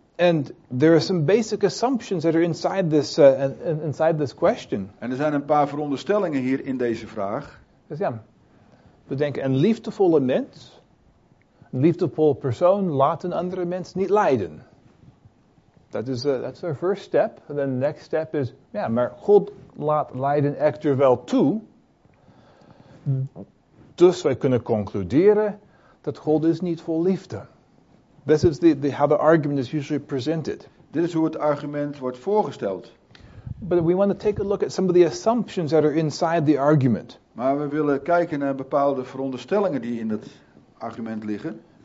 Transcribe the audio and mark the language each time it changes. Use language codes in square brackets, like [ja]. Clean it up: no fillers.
[en] And there are some basic assumptions that are inside this inside this question. [nl] En er zijn een paar veronderstellingen hier in deze vraag. Dus ja, we denken een liefdevolle mens, een liefdevolle persoon laat een andere mens niet lijden. [en] That's our first step. And then the next step is, yeah, [nl] maar God laat lijden echter wel toe. Dus wij kunnen concluderen dat God is niet vol liefde. [en] This is how the argument is usually presented. [nl] Dit is hoe het argument wordt voorgesteld. [en] But we want to take a look at some of the assumptions that are inside the argument. [nl] Maar we willen kijken naar bepaalde veronderstellingen die in het argument liggen.